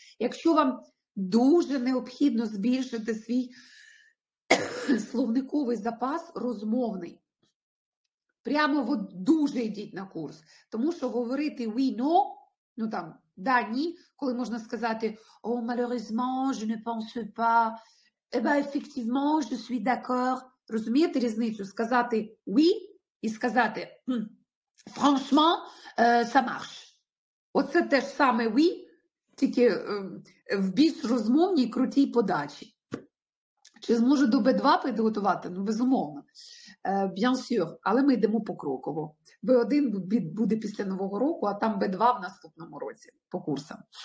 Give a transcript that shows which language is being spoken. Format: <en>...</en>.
<uk>Якщо вам дуже необхідно збільшити свій словниковий запас розмовний, прямо от дуже йдіть на курс. Тому що говорити «we know», ну там «да, ні», коли можна сказати</uk> <fr>«oh, malheureusement, je ne pense pas», Ben effectivement, je suis d'accord.</fr> <uk>Розумієте різницю? Сказати</uk> <fr>oui</fr> <uk>і сказати</uk> <fr>franchement, ça marche.</fr> <uk>Оце те ж саме oui, тільки в більш розмовній, крутій подачі. Чи зможу до B2 підготувати? Ну, безумовно.</uk> <fr>Bien sûr,</fr> <uk>але ми йдемо покроково. B1 буде після нового року, а там B2 в наступному році по курсам.</uk>